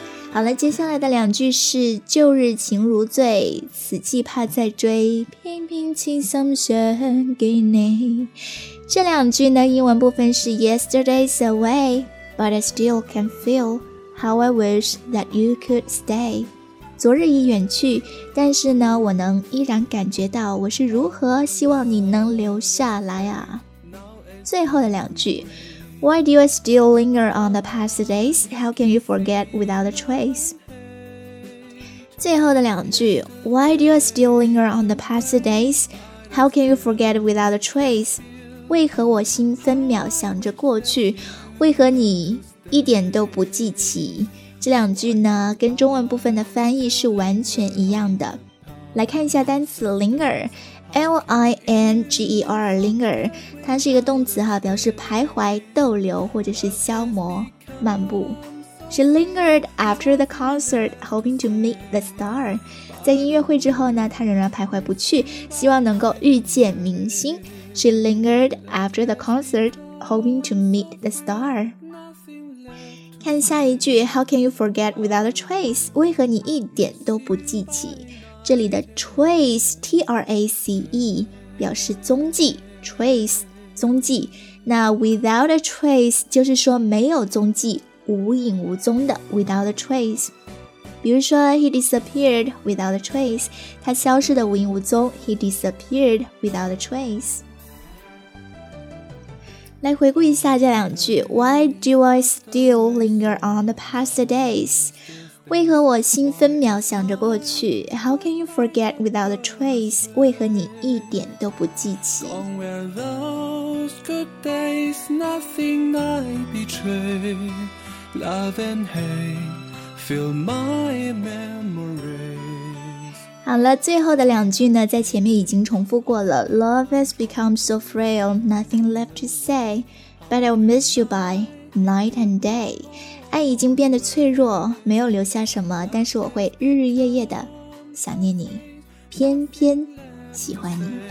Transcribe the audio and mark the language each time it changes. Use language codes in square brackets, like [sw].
[zh] 好了，接下来的两句是旧日情如醉，此际怕再追，偏偏情深深给你。这两句呢英文部分是 [en] Yesterday's away, but I still can feel how I wish that you could stay. [zh] 昨日已远去，但是呢我能依然感觉到我是如何希望你能留下来啊。最后的两句， [en] Why do you still linger on the past days? How can you forget without a trace? [zh] 最后的两句 [en] Why do you still linger on the past days? How can you forget without a trace? [zh] 为何我心分秒想着过去，为何你一点都不记起。这两句呢跟中文部分的翻译是完全一样的。来看一下单词 linger,L-I-N-G-E-R, linger, 它是一个动词哈，表示徘徊、逗留或者是消磨、漫步。 [en] She lingered after the concert, hoping to meet the star. [zh] 在音乐会之后呢，她仍然徘徊不去，希望能够遇见明星。 [en] She lingered after the concert, hoping to meet the star. [zh] 看下一句 [en] ,How can you forget without a trace? [zh] 为何你一点都不记起？这里的 trace, T-R-A-C-E, 表示踪迹， trace, 踪迹。那 [en] without a trace, [zh] 就是说没有踪迹，无影无踪的， without a trace。比如说 [en] he disappeared without a trace, [zh] 他消失的无影无踪， [en] he disappeared without a trace。 [zh] 来回顾一下这两句， [en] Why do I still linger on the past days? [zh] 为何我心分秒想着过去？ [en] How can you forget without a trace? [zh] 为何你一点都不记起？ [en] Long were those good days, nothing I betray. Love and hate fill my memories. [zh] 好了，最后的两句呢，在前面已经重复过了。 [en] Love has become so frail, nothing left to say. But I'll miss you by night and day. [zh] 爱已经变得脆弱，没有留下什么，但是我会日日夜夜的想念你，偏偏喜欢你。